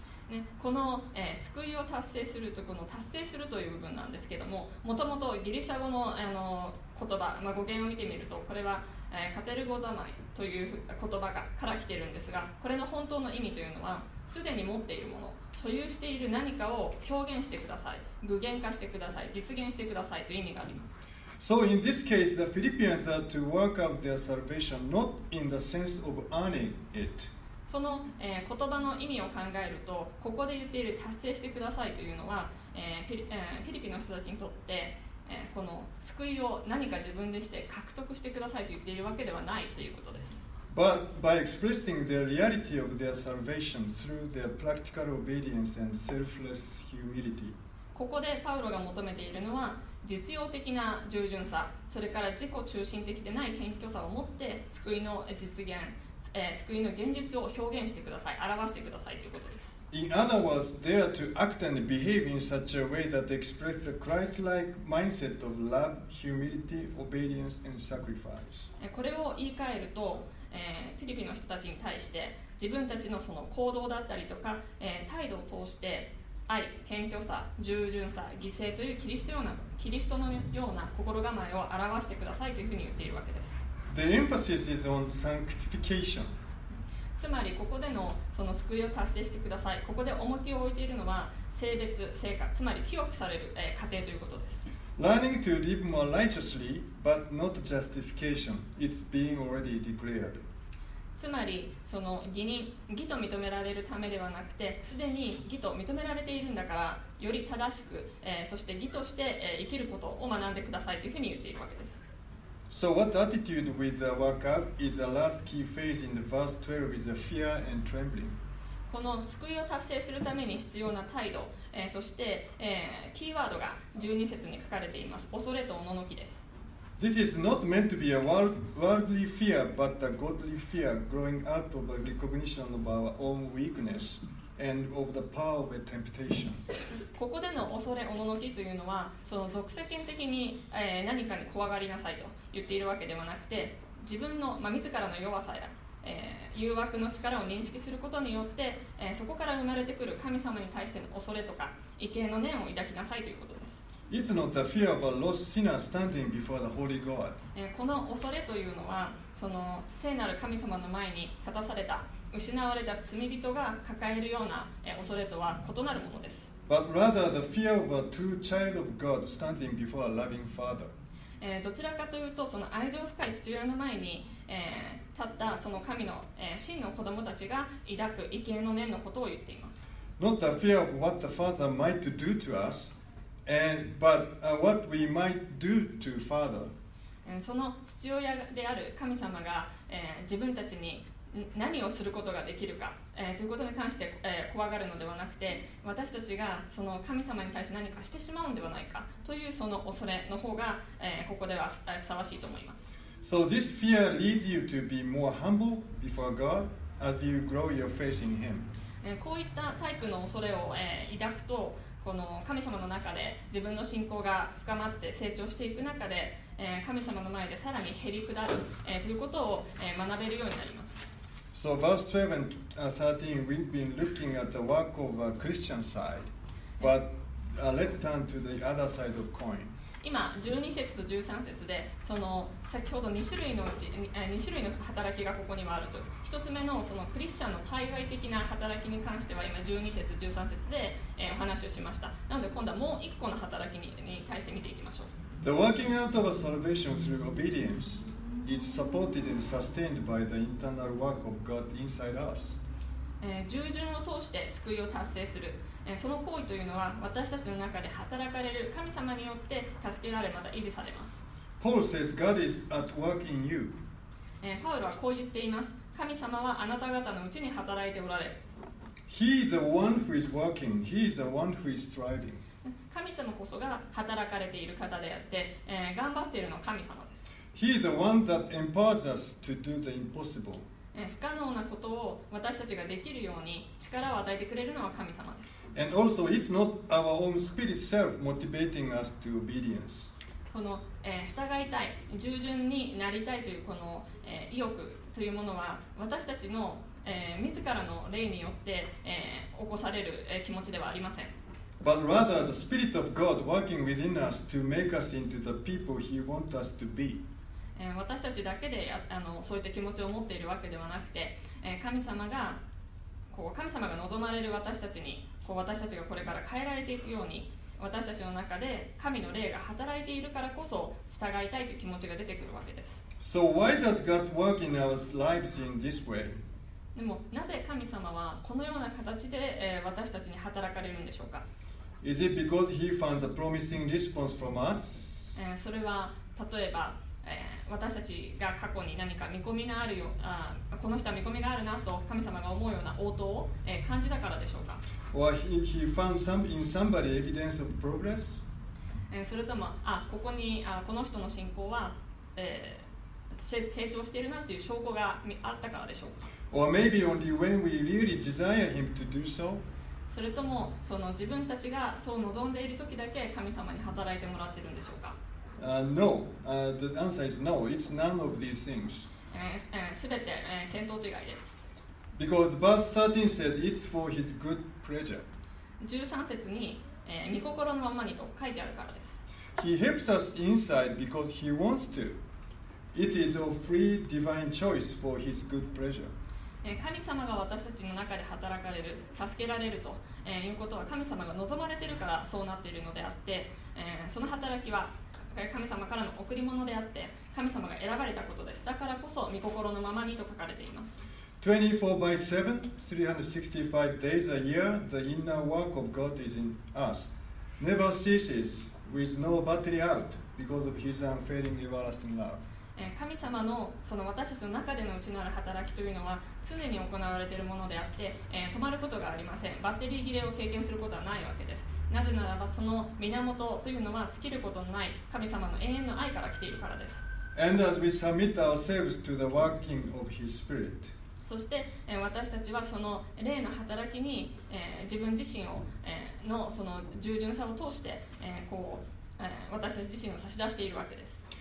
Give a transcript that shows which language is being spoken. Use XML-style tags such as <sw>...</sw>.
<ja>ね、この、救いを達成するとこの達成するという部分なんですけども、もともとギリシャ語 の, 言葉、語源を見てみると、これは、カテルゴザマイという言葉がから来ているんですが、これの本当の意味というのは、すでに持っているもの、所有している何かを表現してください、具現化してください、実現してくださいという意味があります。</ja> <en>So in this case, the Philippians are to work out their salvation not in the sense of earning it.</en> <ja>その、言葉の意味を考えると、ここで言っている達成してくださいというのは、フィリピの人たちにとって、この救いを何か自分でして獲得してくださいと言っているわけではないということです。</ja> <en>But by expressing the reality of their salvation through their practical obedience and selfless humility.</en> <ja>ここでパウロが求めているのは実用的な従順さ、それから自己中心的でない謙虚さを持って救いの実現、救いの現実を表現してください、表してくださいということです。</ja> <en>In other words, they are to act and behave in such a way that express the Christ-like mindset of love, humility, obedience, and sacrifice.</en> <ja>これを言い換えるとフィリピの人たちに対して自分たち の, その行動だったりとか、態度を通して愛、謙虚さ、従順さ、犠牲というキリストようなキリストのような心構えを表してくださいというふうに言っているわけです。</ja> <en>The emphasis is on sanctification.</en> <ja>つまりここで の, その救いを達成してください、ここで重きを置いているのは性別、成果、つまり清くされる、過程ということです。</ja> <en>Learning to live more righteously, but not justification, is being already declared.</en> <ja>つまり、その義人、義と認められるためではなくて、すでに義と認められているんだから、より正しく、そして義として、生きることを学んでくださいというふうに言っているわけです。</ja> <en>So what attitude with the work up is the last key phase in the verse 12 is the fear and trembling.</en> <ja>この救いを達成するために必要な態度、として、キーワードが12節に書かれています。恐れとおののきです。</ja> <en>This is not meant to be a worldly fear but a godly fear growing out of a recognition of our own weakness and of the power of a temptation.</en> <ja>ここでの恐れおののきというのはその俗世間的に、何かに怖がりなさいと言っているわけではなくて自分の、まあ、自らの弱さや誘惑の力を認識することによって、そこから生まれてくる神様に対しての恐れとか畏敬の念を抱きなさいということです。</ja> <en>It's not the fear of a lost sinner standing before the Holy God.</en> <ja>この恐れというのはその聖なる神様の前に立たされた失われた罪人が抱えるような恐れとは異なるものです。</ja> <en>But rather the fear of a true child of God standing before a loving father.</en> <ja>どちらかというとその愛情深い父親の前に、立ったその神の、真の子供たちが抱く畏敬の念のことを言っています。</ja> <en>Not the fear of what the father might do to us and, but what we might do to father.</en> <ja>その父親である神様が、自分たちに何をすることができるか、ということに関して、怖がるのではなくて私たちがその神様に対して何かしてしまうのではないかというその恐れの方が、ここではふさわしいと思います。</ja> <en>So this fear leads you to be more humble before God as you grow your faith in Him.</en> <ja>こういったタイプの恐れを抱くと、この神様の中で自分の信仰が深まって成長していく中で、神様の前でさらに減り下るということを学べるようになります。</ja> <en>So verse 12 and 13, we've been looking at the work of a Christian side, but let's turn to the other side of coin.</en> <ja>今12節と13節でその先ほど2種類のうち2種類の働きがここにはあると、1つ目 の, そのクリスチャンの対外的な働きに関しては今12節13節でお話をしました。なので今度はもう1個の働き に対して見ていきましょう。</ja> <en>The working out of a salvation through obedience is supported and sustained by the internal work of God inside us.</en> <ja>従順を通して救いを達成する、その行為というのは私たちの中で働かれる神様によって助けられまた維持されます。</ja> <en>Paul says God is at work in you.</en> <ja>パウロはこう言っています。神様はあなた方のうちに働いておられる。</ja> <en>He is the one who is working. He is the one who is striving.</en> <ja>神様こそが働かれている方であって、頑張っているのは神様です。</ja> <en>He is the one that empowers us to do the impossible.</en> <ja>不可能なことを私たちができるように力を与えてくれるのは神様です。</ja> <en>And also, it's not our own spirit self motivating us to obedience.</en> <ja>この、従いたい、従順になりたいというこの、意欲というものは私たちの、自らの霊によって、起こされる、気持ちではありません。</ja> <en>But rather, the spirit of God working within us to make us into the people He wants us to be.</en> <ja>私たちだけでそういった気持ちを持っているわけではなくて、神様がこう神様が望まれる私たちに。私たちがこれから変えられていくように私たちの中で神の霊が働いているからこそ従いたいという気持ちが出てくるわけです。</ja> <en>So why does God work in our lives in this way?</en> <ja>でもなぜ神様はこのような形で、私たちに働かれるんでしょうか。</ja> <en>Is it because he finds a promising response from us?</en> <ja>それは例えば、私たちが過去に何か見込みがあるよ、この人は見込みがあるなと神様が思うような応答を、感じたからでしょうか。</ja> <en>Or he found some in somebody evidence of progress?</en> <ja>それとも、あ、ここに、あ、この人の信仰は、成長しているなという証拠があったからでしょうか。</ja> <en>Or maybe only when we really desire him to do so?</en> <ja>それとも、その自分たちがそう望んでいるときだけ神様に働いてもらっているんでしょうか。</ja> <en>No. The answer is no. It's none of these things.</en> <ja>すべて、見当違いです。</ja> <en>Because verse 13 says it's for his good pleasure.</en> <ja>13節に、御心のままにと書いてあるからです。</ja> <en>He helps us inside because he wants to. It is a free divine choice for his good pleasure.</en> <ja>神様が私たちの中で働かれる、助けられるということは神様が望まれているからそうなっているのであって、その働きは神様からの贈り物であって、神様が選ばれたことです。だからこそ御心のままにと書かれています。</ja> <en>24/7, 365 days a year, the inner work of God is in us. Never ceases, with no battery out, because of His unfailing everlasting love.</en> <ja>神様 の、 その私たちの中での内なる働きというのは常に行われているものであって、止まることがありません。バッテリー切れを経験することはないわけです。なぜならばその源というのは尽きることのない神様の永遠の愛から来ているからです。</ja> <en>And as we submit ourselves to the working of His Spirit、</en> <ja>そして、私たちはその霊の働きに、自分自身を、のその従順さを通して、こう、私たち自身を差し出しているわけです。</ja>